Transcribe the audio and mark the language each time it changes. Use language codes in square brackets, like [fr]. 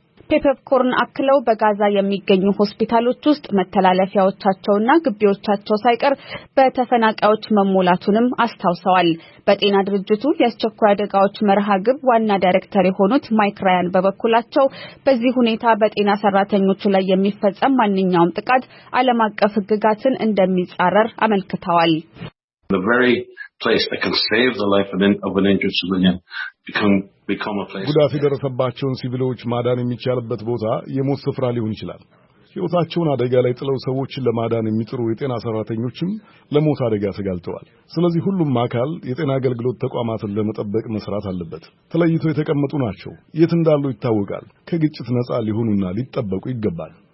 [am] ፔፐርኮርን አክለው በጋዛ የሚገኙ ሆስፒታሎች ውስጥ መተላለፊያዎቻቸውና ግቢዎቻቸው ሳይቀር በተፈናቃዮች መሞላቱንም አስተውሰዋል። በጤና ድርጅቱ የአስቸኳይ አደጋዎች መርሃ ግብ ዋና ዳይሬክተር የሆኑት ማይክ ራያን በበኩላቸው በዚህ ሁኔታ በጤና ሰራተኞች ላይ የሚፈጸም ማንኛውም ጥቃት ዓለም አቀፍ ህግጋትን እንደሚጻረር አመልክተዋል። [en] The very place that can save the life of an injured civilian become a place. [am] ጉዳት የደረሰባቸውን ሲቪሎች ማዳን የሚቻልበት ቦታ የሞት ስፍራ ሊሆን ይችላል። ህይወታቸውን አደጋ ላይ ጥለው ሰዎችን ለማዳን የሚጥሩ የጤና ሰራተኞችም ለሞት አደጋ ተጋልጠዋል። ስለዚህ ሁሉም አካል የጤና አገልግሎት ተቋማትን ለመጠበቅ መስራት አለበት። ተለይቶ የተቀመጡ ናቸው። የት እንዳሉ ይታወቃል። ከግጭት ነጻ ሊሆኑና ሊጠበቁ ይገባል።